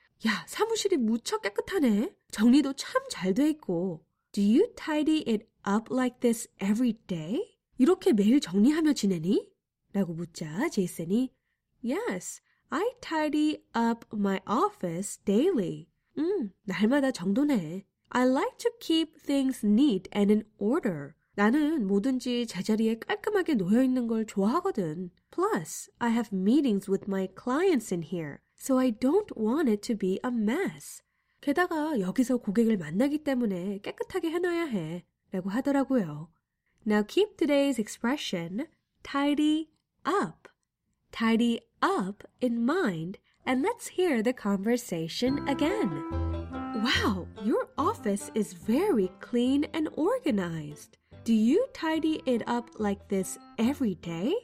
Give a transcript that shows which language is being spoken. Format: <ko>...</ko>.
<ko>야, 사무실이 무척 깨끗하네. 정리도 참 잘 돼 있고.</ko> <en>Do you tidy it up like this every day?</en> <ko>이렇게 매일 정리하며 지내니? 라고 묻자 제이슨이</ko> <en>Yes, I tidy up my office daily.</en> <ko>날마다 정돈해.</ko> <en>I like to keep things neat and in order.</en> <ko>나는 뭐든지 제자리에 깔끔하게 놓여 있는 걸 좋아하거든.</ko> <en>Plus, I have meetings with my clients in here, so I don't want it to be a mess.</en> <ko>게다가 여기서 고객을 만나기 때문에 깨끗하게 해놔야 해, 라고 하더라고요.</ko> <en>Now keep today's expression, tidy up. Tidy up in mind, and let's hear the conversation again. Wow, your office is very clean and organized. Do you tidy it up like this every day?</en>